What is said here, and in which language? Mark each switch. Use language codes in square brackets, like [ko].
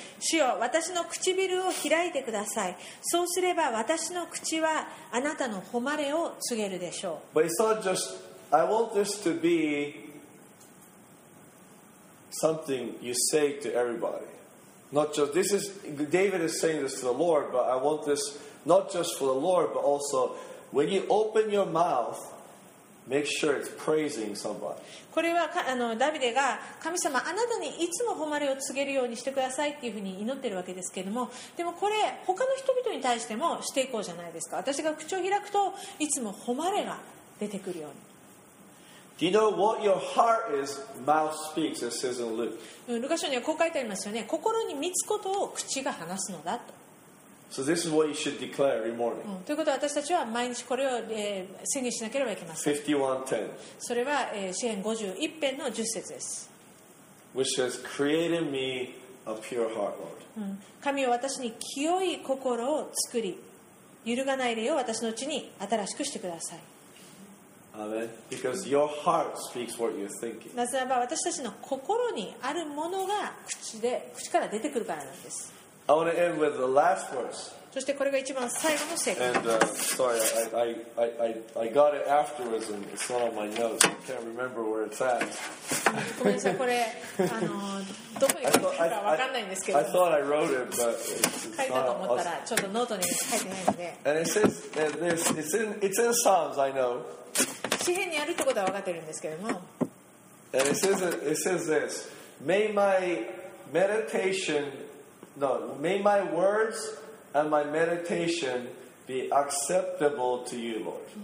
[ja] 主よ、私の唇を開いてください。そうすれば私の口はあなたの誉れを告げるでしょう。 [en] But it's not just, I want this to be something you say to everybody. Not just, this is, David is saying this to the Lord, but I want this not just for the Lord, but also when you open your mouth,Make sure it's praising somebody. [ja] これはダビデが神様あなたにいつも誉れを告げるようにしてくださいっていうふうに祈ってるわけですけれども、でもこれ他の人々に対してもしていこうじゃないですか。私が口を開くといつも誉れが出てくるように。 [en] Do you know what your heart is, mouth speaks, it says in Luke. [ja] ルカ書にはこう書いてありますよね。心に満つことを口が話すのだと。 [en] So this is what you should declare every morning. [ja] ということは私たちは毎日これを宣言しなければいけません。 [en] 51:10. [ja] それは詩篇51篇の10節です。 [en] Which says, "Create in me a pure heart, Lord." [ja] 神は私に清い心を作り。揺るがない霊を私のうちに新しくしてください。 [en] Because your heart speaks what you're thinking. [ja] なぜならば私たちの心にあるものが口から出てくるからなんです。 [en] I want to end with the last verse. [ja] そしてこれが一番最後の聖句。 [en] And sorry, I got it afterwards and it's not on my notes. I can't remember where it's at. [ja] ごめんなさい、これどこに書いてるか分かんないんですけど。 [en] I thought I wrote it, but it's not. [ja] 書いたと思ったらちょっとノートに書いてないので。 [en] And it says, and this, it's in Psalms, I know. [ja] 詩編にあるってことは分かってるんですけども。 [en] And it says this: May my words and my meditation be acceptable to you, Lord.